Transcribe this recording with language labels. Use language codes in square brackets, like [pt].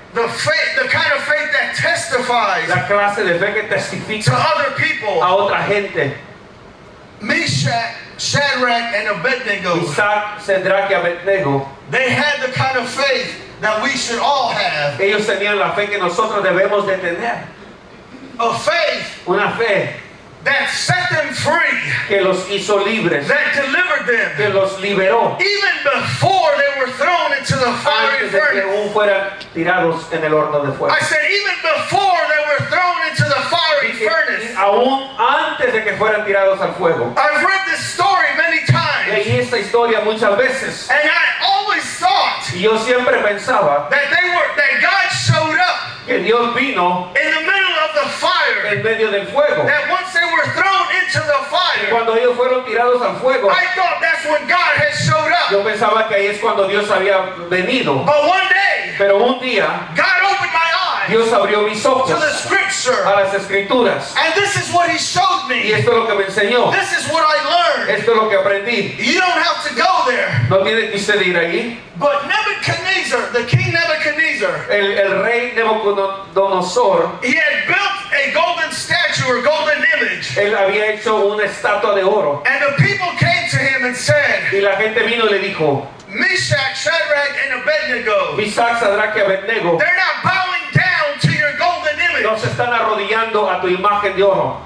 [en] the faith, the kind of faith that testifies, [es] la clase de fe que testifica [en] to other people, [es] a otra gente. [en] Meshach, Shadrach, and Abednego. [es] Meshach, Shadrach, y Abednego. [en] They had the kind of faith that we should all have. [es] Ellos tenían la fe que nosotros debemos de tener. [en] A faith. [es] Una fe. [en] That set them free. [es] Que los hizo libres. [en] That delivered them. [es] Que los liberó. [en] Even before they were thrown into the fiery furnace. [es] Aún fueran tirados en el horno de fuego. [en] I said even before they were thrown into the fiery furnace. [es] Aún antes de que fueran tirados al fuego. [en] I've read this story many times. [es] Leí esta historia muchas veces. [en] And I always thought. [es] Y yo siempre pensaba. [en] That God showed up. [es] Que Dios vino. [en] In the middle of the fire. [es] En medio del fuego. [en] That once they were thrown into the fire. [es] Cuando ellos fueron tirados al fuego. [en] I thought that's when God had showed up. [es] Yo pensaba que ahí es cuando Dios había venido. [en] But one day. [es] Pero un día. [en] God opened my eyes. [es] Dios abrió mis ojos. [en] To the scripture. [es] A las escrituras. [en] And this is what he showed me. [es] Y esto es lo que me enseñó. [en] This is what I learned. [es] Esto es lo que aprendí. [en] You don't have to go there. [es] No tiene que usted ir allí. [en] But Nebuchadnezzar, the king Nebuchadnezzar, [es] el rey Nebuchadnezzar, [en] he had built a golden statue or golden image. [es] Él había hecho una estatua de oro. [en] And the people came to him and said, [es] y la gente vino y le dijo, [en] Meshach, Shadrach, and Abednego, [es] Meshach, Shadrach, y Abednego, [en] they're not bowing down to your golden image. [es] No se están arrodillando a tu imagen de oro.